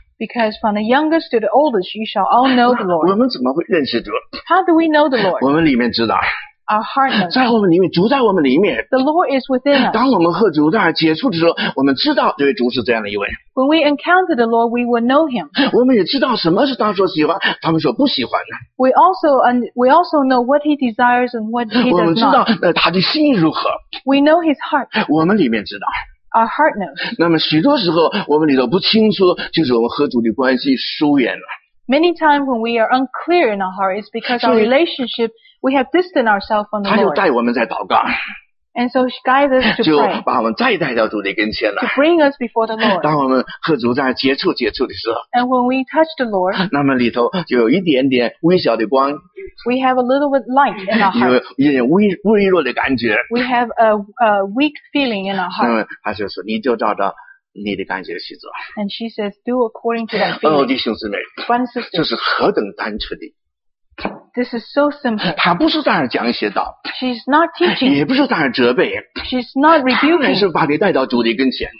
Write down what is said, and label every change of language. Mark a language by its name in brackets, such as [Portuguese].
[English] Because from the youngest to the oldest, you shall all know the Lord. [Chinese] 我们怎么会认识主？ [English] How do we know the Lord? [Chinese] 我们里面知道。 [English] Our heart knows. [Chinese] 在我们里面，主在我们里面。 [English] The Lord is within us. [Chinese] 当我们和主在接触的时候，我们知道这位主是这样的一位。 [English] When we encounter the Lord, we will know Him. [Chinese] 我们也知道什么是他所喜欢，他们所不喜欢的。 [English] We also know what He desires and what He does not. [Chinese] 我们知道他的心如何。 [English] We know His heart. [Chinese] 我们里面知道。 [English] Our heart knows. [Chinese] 那么许多时候，我们里头不清楚，就是我们和主的关系疏远了。 [English] Many times when we are unclear in our heart, it's because our relationship, we have distanced ourselves from the Lord. [Chinese] 他就带我们在祷告。 [English] And so she guides us to pray. [Chinese] 就把我们再带到主的跟前了。 [English] To bring us before the Lord. [Chinese] 当我们和主在接触的时候。 [English] And when we touch the Lord. [Chinese] 那么里头就有一点点微小的光。 [English] We have a little bit light in our heart. [Chinese] 有一点微弱的感觉。 [English] We have a weak feeling in our heart. [Chinese] 那么他就说，你就照着你的感觉去做。 [English] And she says, do according to that feeling. [Chinese] 哦，弟兄姊妹，这是何等单纯的。 [English] This is so simple. [Chinese] 她不是在那儿讲一些道。 [English] She's not teaching. [Chinese] 也不是在那儿责备。 [English] She's not rebuking. [Chinese] 她还是把你带到主的跟前。